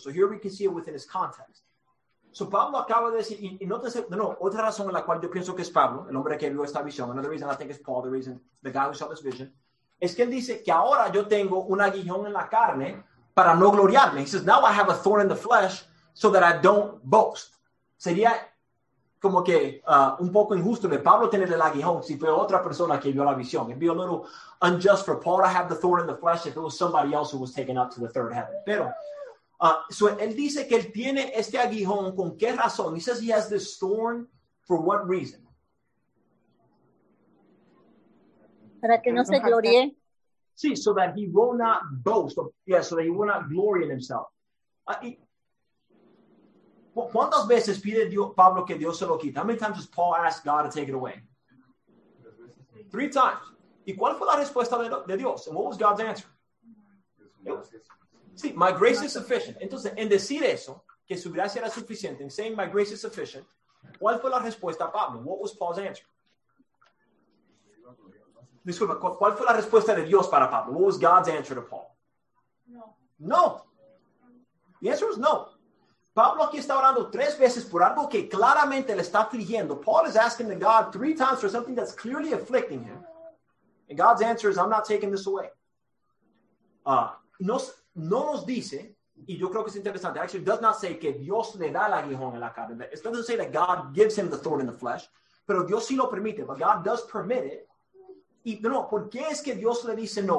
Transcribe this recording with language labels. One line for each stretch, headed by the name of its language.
English: So here we can see it within its context.
Spanish: So Pablo acaba de decir, y no te sé, no, otra razón en la cual yo pienso que es Pablo, el hombre que vio esta visión,
English: another reason I think is Paul, the reason, the guy who saw this vision,
Spanish: es que él dice que ahora yo tengo un aguijón en la carne para no gloriarme.
English: He says, now I have a thorn in the flesh so that I don't boast.
Spanish: Sería como que un poco injusto de Pablo tener el aguijón si fue otra persona que vio la visión.
English: It'd be a little unjust for Paul to have the thorn in the flesh if it was somebody else who was taken up to the third heaven.
Spanish: Pero, so él dice que él tiene este aguijón, ¿con qué razón?
English: He says he has this thorn, for what reason?
Spanish: Para que no se gloríe.
English: See, so that he will not boast. Yeah, so that he will not glory in himself.
Spanish: ¿Cuántas veces pide Dios, Pablo, que Dios se lo quite?
English: How many times does Paul ask God to take it away? Three times.
Spanish: ¿Y cuál fue la respuesta de Dios?
English: And what was God's answer? See, my grace is sufficient.
Spanish: Entonces, en decir eso, que su gracia era suficiente,
English: in saying my grace is sufficient,
Spanish: ¿cuál fue la respuesta a Pablo?
English: What was Paul's answer?
Spanish: Disculpa, ¿cuál fue la respuesta de Dios para Pablo?
English: What was God's answer to Paul? No. No. The answer was no.
Spanish: Pablo aquí está orando tres veces por algo que claramente le está afligiendo.
English: Paul is asking the God three times for something that's clearly afflicting him. And God's answer is, I'm not taking this away.
Spanish: No nos dice, y yo creo que es interesante,
English: actually does not say
Spanish: que Dios le da el aguijón en la carne.
English: It doesn't say that God gives him the thorn in the flesh.
Spanish: Pero Dios sí lo permite,
English: but God does permit it.
Spanish: Y no, ¿por qué es que Dios le dice no?